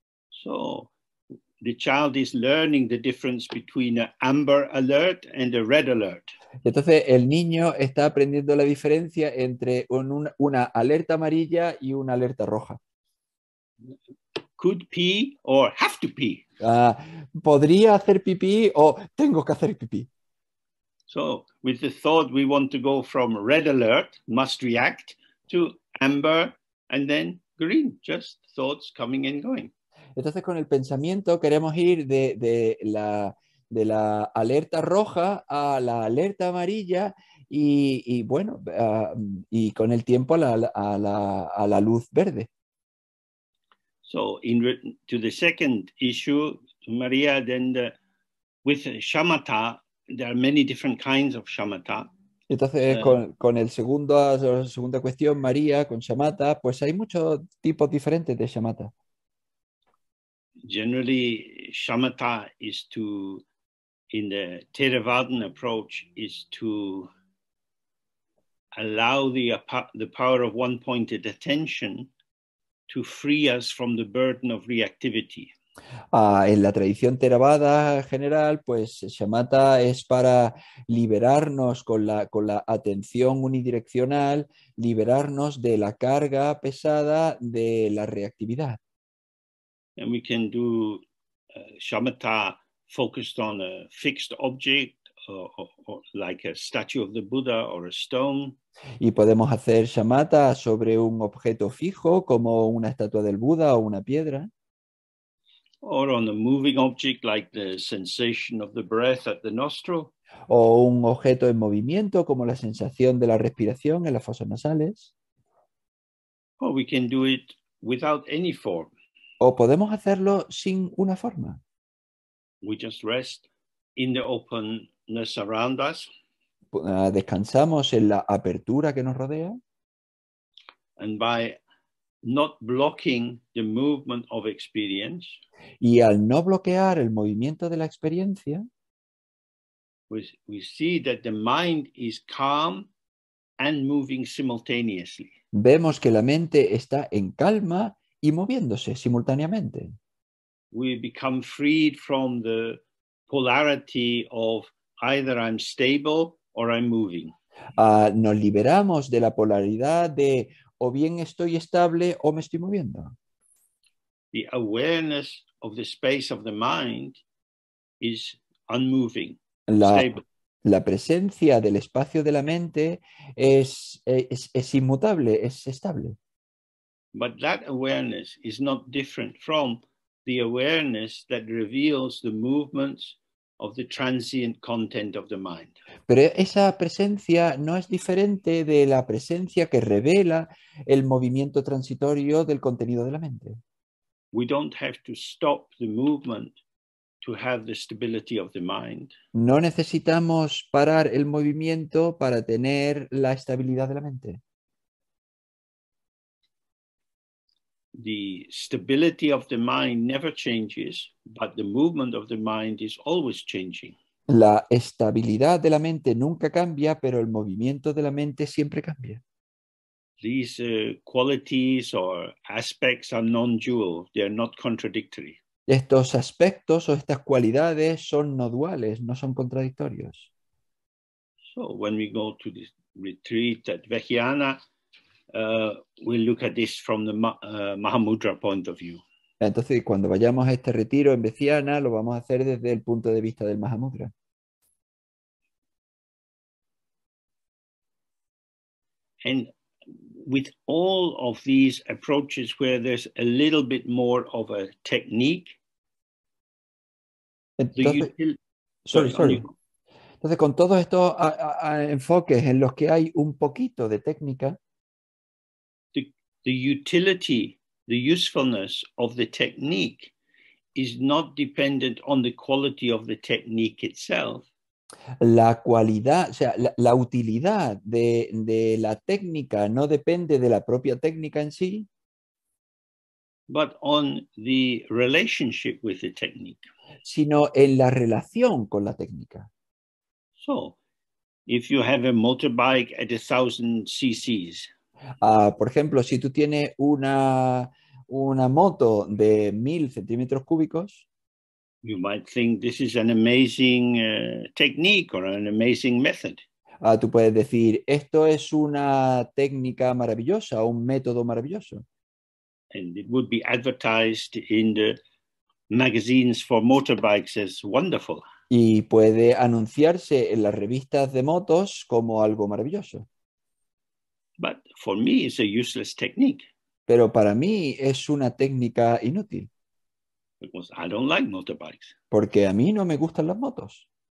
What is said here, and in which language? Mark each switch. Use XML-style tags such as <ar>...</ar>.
<en>So the child is learning the difference between an amber alert and a red alert.</en> <es>Entonces el niño está aprendiendo la diferencia entre una alerta amarilla y una alerta roja.</es> <en>Could pee or have to pee.</en> <es>Podría hacer pipí o tengo que hacer pipí.</es> <en>So with the thought we want to go from red alert, must react, to amber and then green, just thoughts coming and going.</en> <es>Entonces, con el pensamiento queremos ir de la alerta roja a la alerta amarilla y bueno, y con el tiempo a la luz verde.</es> <en>So in re to the second issue, María, then with shamatha, there are many different kinds</en> <es>Entonces,</es> <en>of</en> <es>con el segundo, la segunda cuestión, María, con shamatha, pues hay muchos tipos diferentes de shamatha.</es> <en>Generally, shamatha is to, in the Theravadan approach, is to allow the power of one-pointed attention to free us from the burden of reactivity.</en> <es>En la tradición Theravada general, pues shamatha es para liberarnos con la atención unidireccional, liberarnos de la carga pesada de la reactividad.</es> <en>And we can do shamatha focused on a fixed object, or like a statue of the Buddha or a stone.</en> <es>Y podemos hacer shamatha sobre un objeto fijo, como una estatua del Buda o una piedra.</es> <en>Or on a moving object like the sensation of the breath at the nostril.</en> <es>O un objeto en movimiento, como la sensación de la respiración en las fosas nasales.</es> <en>Or we can do it without any form.</en> <es>O podemos hacerlo sin una forma.</es> <en>We just rest in the openness around us.</en> <es>Descansamos en la apertura que nos rodea.</es> <en>And by not blocking the movement of experience,</en> <es>Y al no bloquear el movimiento de la experiencia,</es> <en>we see that the mind is calm and moving simultaneously.</en> <es>vemos que la mente está en calma y moviéndose simultáneamente.</es> <en>We become freed from the polarity of either I'm stable or I'm moving.</en> <es>Nos liberamos de la polaridad de o bien estoy estable o me estoy moviendo.</es> <en>The awareness of the space of the mind is unmoving,</en> <es>La</es> <en>stable.</en> <es>presencia del espacio de la mente es inmutable, es estable.</es> <en>But that awareness is not different from the awareness that reveals the movements of the transient content of the mind.</en> <es>Pero esa presencia no es diferente de la presencia que revela el movimiento transitorio del contenido de la mente.</es> <en>We don't have to stop the movement to have the stability of the mind.</en> <es>No necesitamos parar el movimiento para tener la estabilidad de la mente.</es> <en>The stability of the mind never changes, but the movement of the mind is always changing.</en> <es>La estabilidad de la mente nunca cambia, pero el movimiento de la mente siempre cambia.</es> <en>These qualities or aspects are non-dual, they are not contradictory.</en> <es>Estos aspectos o estas cualidades son no duales, no son contradictorios.</es> <en>So when we go to this retreat at Vajrayana, we'll look at this from the Mahamudra point of view.</en> <es>Entonces, cuando vayamos a este retiro en Veciana, lo vamos a hacer desde el punto de vista del Mahamudra.</es> <en>And with all of these approaches where there's a little bit more of a technique,</en> <es>Entonces,</es> <en>sorry, on you.</en> <es>con todos estos enfoques en los que hay un poquito de técnica,</es> <en>The utility, the usefulness of the technique is not dependent on the quality of the technique itself.</en> <es>la cualidad, o sea, la utilidad de la técnica no depende de la propia técnica en sí,</es> <en>But on the relationship with the technique.</en> <es>sino en la relación con la técnica.</es> <en>So, if you have a motorbike at 1,000 cc's,</en> <es>Por ejemplo, si tú tienes una moto de 1.000 centímetros cúbicos,</es> <en>you might think this is an amazing technique or an amazing method.</en> <es>Tú puedes decir, esto es una técnica maravillosa, un método maravilloso.</es> <en>And it would be advertised in the magazines for motorbikes as wonderful.</en> <es>Y puede anunciarse en las revistas de motos como algo maravilloso.</es> <en>But for me, it's a useless technique.</en> <es>Pero para mí es una técnica inútil.</es> <en>Because I don't like motorbikes.</en> <es>Porque a mí no me gustan las motos.</es>